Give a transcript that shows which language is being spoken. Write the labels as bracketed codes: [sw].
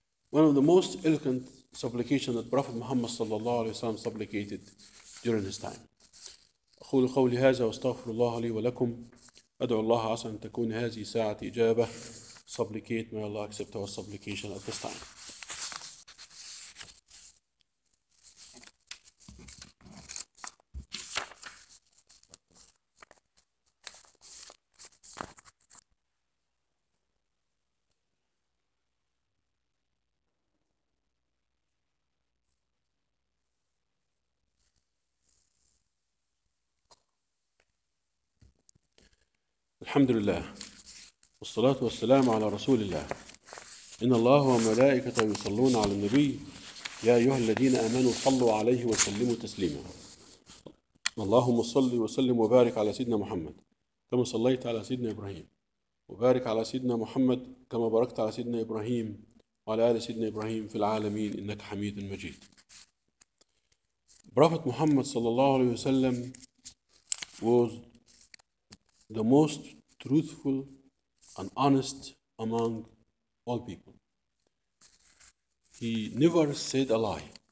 [en] One of the most eloquent supplication that Prophet Muhammad sallallahu alaihi wasallam supplicated during his time. [ar] أقول قولي هذا واستغفر الله لي ولكم أدعو الله عسى أن تكون هذه ساعة إجابة [en] supplicate may Allah accept our supplication at this time. [ar] الحمد لله والصلاة والسلام على رسول الله إن الله وملائكته يصلون على النبي يا أيها الذين آمنوا صلوا عليه وسلموا تسليما اللهم صل وسلم وبارك على سيدنا محمد كما صليت على سيدنا إبراهيم وبارك على سيدنا محمد كما باركت على سيدنا إبراهيم وعلى آل سيدنا إبراهيم في العالمين إنك حميد مجيد. [en] Prophet Muhammad صلى الله عليه وسلم was the most truthful and honest among all people. He never said a lie.